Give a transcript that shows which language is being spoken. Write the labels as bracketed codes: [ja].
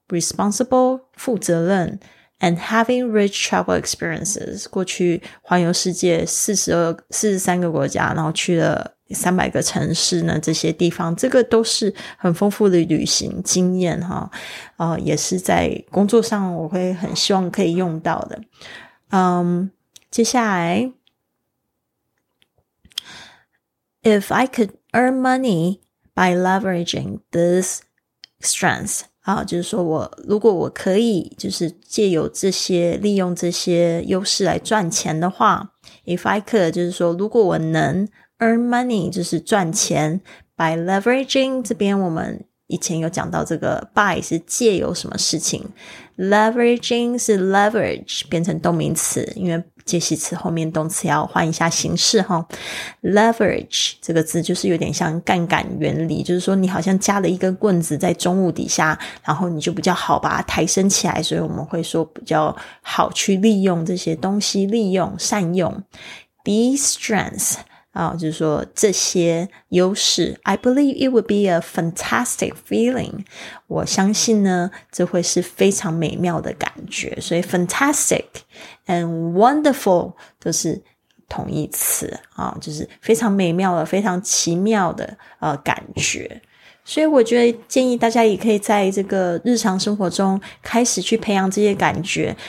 [zh] Responsible 负责任。 [en] And having rich travel experiences, [zh] 过去环游世界43个国家，然后去了300个城市呢，这些地方这个都是很丰富的旅行经验哈，也是在工作上我会很希望可以用到的。接下来 [en] If I could earn money by leveraging this strength. [zh] 好，就是说我如果我可以就是借由这些利用这些优势来赚钱的话， [en] if I could, [zh] 就是说如果我能 [en] earn money, [zh] 就是赚钱 [en] by leveraging, [zh] 这边我们以前有讲到这个 by 是借由什么事情， leveraging 是 leverage 变成动名词，因为介系词后面动词要换一下形式哈。 leverage 这个字就是有点像杠杆原理，就是说你好像加了一根棍子在重物底下，然后你就比较好把它抬升起来，所以我们会说比较好去利用这些东西，利用善用 [en] these strengths [zh] 就是说这些优势。 [en] I believe it would be a fantastic feeling. [zh] 我相信呢这会是非常美妙的感觉，所以 [en] fantastic and wonderful [zh] 都是同义词，就是非常美妙的，非常奇妙的感觉。所以我觉得建议大家也可以在这个日常生活中开始去培养这些感觉。